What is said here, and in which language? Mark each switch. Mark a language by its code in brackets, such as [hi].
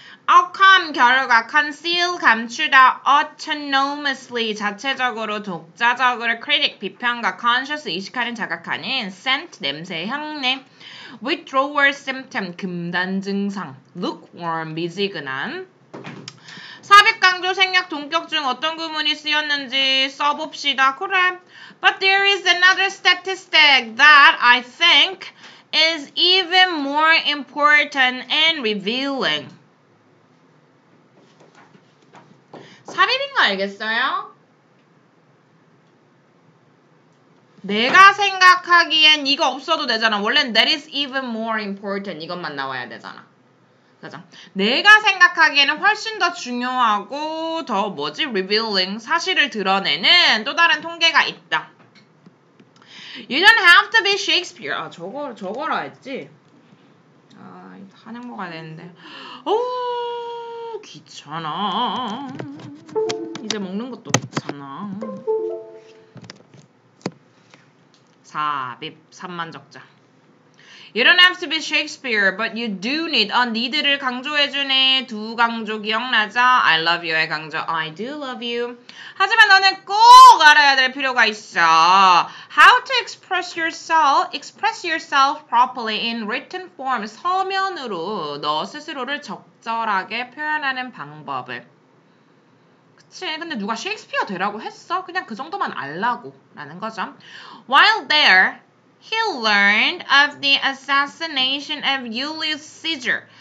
[ko] Outcome, 결과, conceal, 감추다, autonomously, 자체적으로, 독자적으로, critic, 비평가, conscious, 의식하는, 자각하는, scent, 냄새, 향내, withdrawal, symptom, 금단 증상, lukewarm, 미지근한. 삽입 강조, 생략, 동격 중 어떤 구문이 쓰였는지 써봅시다. 그래. [en] But there is another statistic that I think is even more important and revealing. [ko] 삽입인 거 알겠어요? 내가 생각하기엔 이거 없어도 되잖아. 원래는 [en] that is even more important [ko] 이것만 나와야 되잖아. 그죠? 내가 생각하기에는 훨씬 더 중요하고 더 뭐지? revealing 사실을 드러내는 또 다른 통계가 있다. [en] You don't have to be Shakespeare. [ko] 아, 저거라 했지? 아, 하는 거가 되는데. 오! 귀찮아. 이제 먹는 것도 귀찮아. 삽입 삼만적자. [en] You don't have to be Shakespeare, but you do need a need를 [ko] 강조해주네. 두 강조 기억나죠? [en] I love you의 강조. I do love you. [ko] 하지만 너는 꼭 알아야 될 필요가 있어. [en] How to express yourself properly in written form. [ko] 서면으로 너 스스로를 적절하게 표현하는 방법을. 그치? 근데 누가 셰익스피어 되라고 했어? 그냥 그 정도만 알라고 라는 거죠. [en] While there, He learned of the assassination of Julius Caesar.